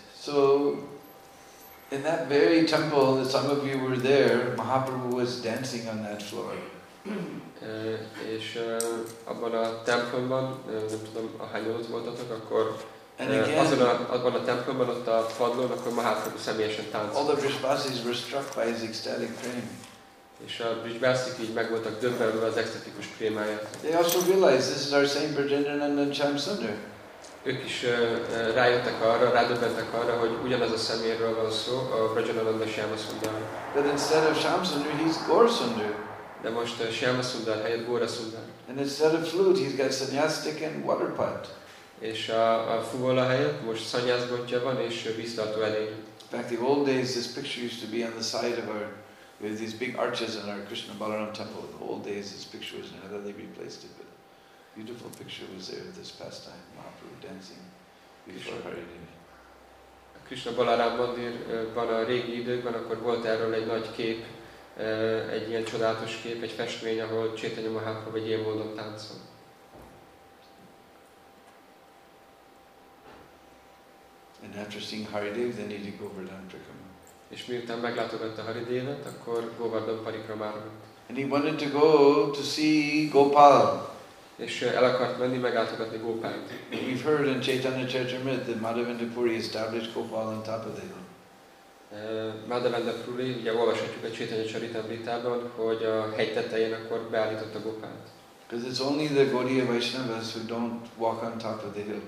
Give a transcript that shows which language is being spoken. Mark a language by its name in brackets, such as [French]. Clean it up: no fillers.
[English] So, in that very temple that some of you were there, Mahaprabhu was dancing on that floor. [Hungarian] És abban a templomban, nem tudom, ahány ott voltatok, akkor abban a templomban, ott a padlón, akkor Mahaprabhu személyesen táncolt. [English] All the Vrishvasis were struck by his ecstatic prem. [Hungarian] És a Vrishvasik így meg voltak döbbenve az ecstatikus prémáját. [English] They also realized this is our Saint Brajendranandan and Chamsundar. [Hungarian] Ők is rájöttek arra, rádöbbentek arra, hogy ugyanaz a személyről van szó, a Brajendranandan Chamsundar. [English] But instead of Chamsundar, he's Gorsundar. [Hungarian] De most Chamsundar helyett Gorasundar. [English] And instead of flute, he's got sanyasstick and water pot. [Hungarian] És a fuvola helyett most szanyászgottya van és víztartó elég. [English] In fact, the old days, this picture used to be on the side of our, with these big arches in our Krishna Balaram temple. In the old days, this picture was there. Then they replaced it, but beautiful picture was there this past time. Mahaprabhu dancing before Haridev. [Hungarian] A Krishna Balaram mandirban a régi időkben akkor volt erről egy nagy kép, egy ilyen csodálatos kép, egy festmény, ahol Chaitanya Mahaprabhu egy ilyen módon táncol. [English] And after seeing Haridev, then he did Govardhan Parikrama. [Hungarian] És miután meglátogatta Haridevet, akkor Govardhan Parikramára ment. [English] And he wanted to go to see Gopal. [Hungarian] És el akart menni meglátogatni Gopalt. [English] We've heard in Chaitanya Charitamrita that Madhavendra Puri established Gopal on top of the hill. [Hungarian] Madhavendra Puri, ugye olvashatjuk a Chaitanya Charitamritában, hogy a hegy tetején akkor beállította Gopalt. [English] Because it's only the Gaudiya Vaishnavas who don't walk on top of the hill.